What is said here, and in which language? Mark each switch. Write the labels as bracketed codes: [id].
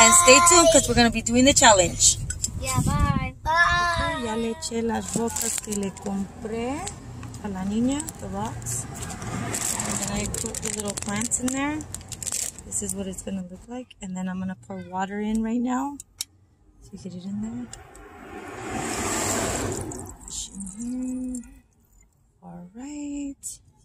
[en] And stay tuned because we're going to be doing the challenge. Yeah, bye. Bye. [es] Okay, ya le eché las rocas que le compré a la niña, [en] the box. I put the little plants in there. This is what it's gonna look like. And then I'm gonna pour water in right now. So you get it in there. Push in here. All right.